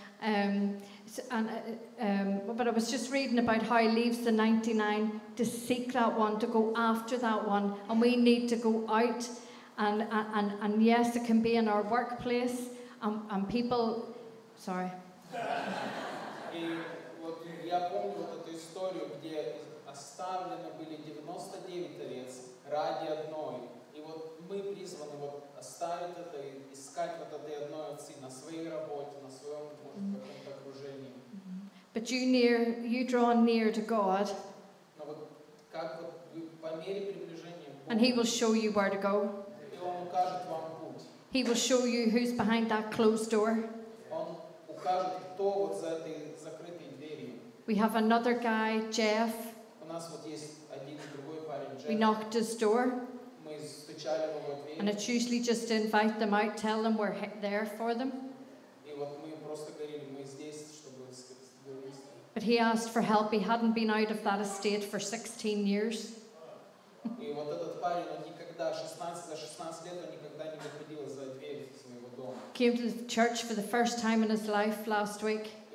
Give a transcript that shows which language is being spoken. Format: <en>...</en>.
<en>But I was just reading about how he leaves the 99 to seek that one, to go after that one. And we need to go out. And yes, it can be in our workplace. And people... Sorry.</en> <ru>И вот я помню вот эту историю, где оставлены были 99 овец ради одной. И вот мы призваны вот оставить это и искать вот этой одной овцы на своей работе, на своем, может, каком-то окружении.</ru> <en>But you draw near to God.</en> <ru>Но вот как вот вы по мере приближения.</ru> <en>And He will show you where to go.</en> <ru>И Он укажет вам путь.</ru> <en>He will show you who's behind that closed door.</en> <ru>Он укажет, кто вот за этой закрытой дверью.</ru> <en>We have another guy, Jeff.</en> <ru>У нас вот есть один другой парень, Джефф.</ru> <en>We knocked his door.</en> <ru>Мы стучали ему в дверь.</ru> <en>And it's usually just to invite them out, tell them we're there for them.</en> <ru>И вот мы просто говорили, мы здесь, чтобы вывести.</ru> <en>But he asked for help. He hadn't been out of that estate for 16 years.</en> <ru>И вот этот парень, он никогда, за 16 лет, он никогда не выходил за дверь.</ru> <en>Came to the church for the first time in his life last week.</en>